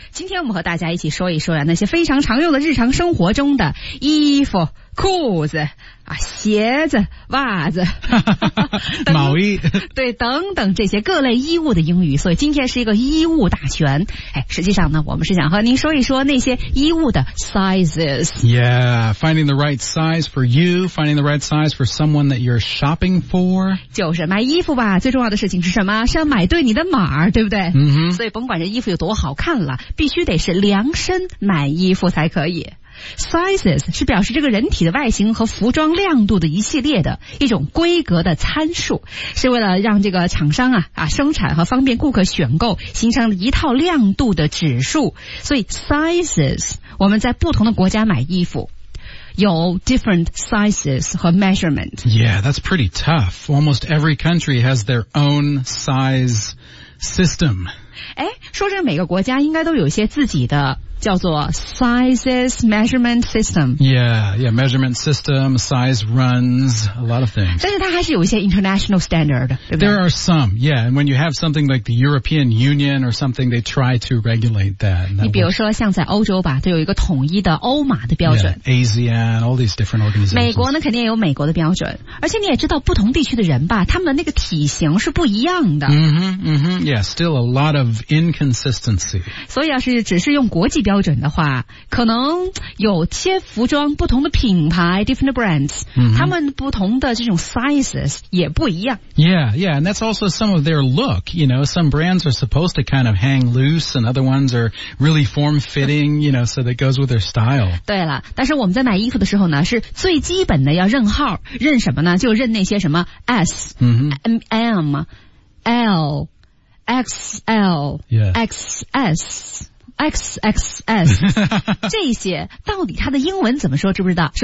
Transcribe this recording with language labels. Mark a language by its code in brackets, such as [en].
[zh] 今天我们和大家一起说一说那些非常常用的日常生活中的衣服、裤子啊、鞋子、袜子、毛衣，对，等等这些各类衣物的英语，所以今天是一个衣物大全。实际上呢，我们是想和您说一说那些衣物的 sizes。 [en] Yeah, finding the right size for you, finding the right size for someone that you're shopping for。 [zh] 就是买衣服吧，最重要的事情是什么？是要买对你的码，对不对？ Mm-hmm. 所以甭管这衣服有多好看了，必须得是量身买衣服才可以。 Sizes 是表示这个人体的外形和服装亮度的一系列的一种规格的参数，是为了让这个厂商生产和方便顾客选购，形成一套亮度的指数。所以 sizes 我们在不同的国家买衣服有 [en] different sizes [zh] 和 measurement。 [en] Yeah, that's pretty tough. Almost every country has their own size system. [zh] 说着每个国家应该都有一些自己的叫做 [en] sizes measurement system. Yeah, measurement system, size runs, a lot of things. [zh] 但是它还是有一些 [en] international standard, [zh] 对不对？ [en] There are some, yeah. And when you have something like the European Union or something, they try to regulate that. [zh] 你比如说像在欧洲吧，都有一个统一的欧码的标准。 [en] Yeah, ASEAN, all these different organizations. [zh] 美国呢，肯定也有美国的标准。而且你也知道不同地区的人吧，他们的那个体型是不一样的。 [en] Yeah, still a lot of inconsistency. [zh] 所以要是只是用国际标准的话，可能有些服装不同的品牌 [en] different brands, [zh] 他们不同的这种 sizes 也不一样。 [en] Yeah, and that's also some of their look, you know, some brands are supposed to kind of hang loose and other ones are really form fitting, you know, so that goes with their style. [zh] 对了，但是我们在买衣服的时候呢，是最基本的要认号，认什么呢？就认那些什么 S,、M, L, XL,、XS,XXS, 这些到底它的英文怎么说知不知道？